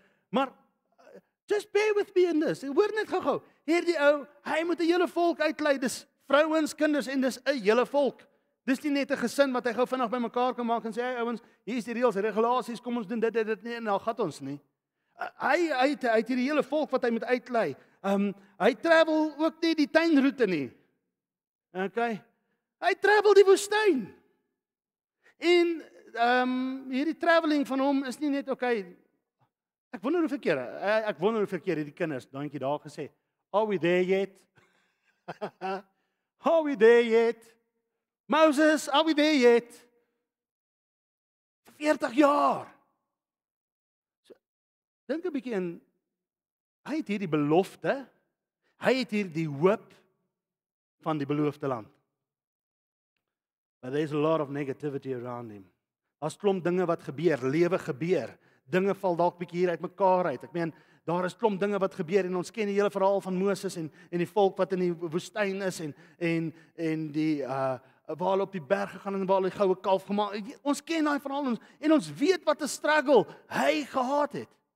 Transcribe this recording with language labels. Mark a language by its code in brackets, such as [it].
[en] Maar just bear with me in this. [af] Ek word net gou-gou. Hierdie ou, hy moet 'n hele volk uitlei, dis vrouens, kinders en dis 'n hele volk. Dis nie net 'n gesin wat hy gou vinnig by mekaar kan maak en sê hey ouens, hier is die reëls, regulasies, kom ons doen dit nie en dan gaan ons nie. Hy het hierdie hele volk wat hy moet uitlei. Hy travel ook nie die tuinroete nie. Okay. Hy travel die woestyn. En hierdie travelling van hom is nie net okay. Ek wonder hoeveel kere die kinders dankie daar gesê, [en] "Are we there yet?" "Are we there yet?" "Moses, are we there yet?" [af] 40 jaar. So, dink 'n bietjie in hy het hierdie belofte. Hy het hier die hoop van die beloofde land. [en] But there's a lot of negativity around him. [af] As klomp dinge wat gebeur, lewe gebeur, dinge val dalk bietjie hier uit mekaar uit. Ek meen, daar is klomp dinge wat gebeur en ons ken die hele verhaal van Moses en die volk wat in die woestyn is en die waar hulle op die berg gegaan en waar hulle die goue kalf gemaak. Ons ken daai verhaal en ons weet wat 'n struggle hy gehad het.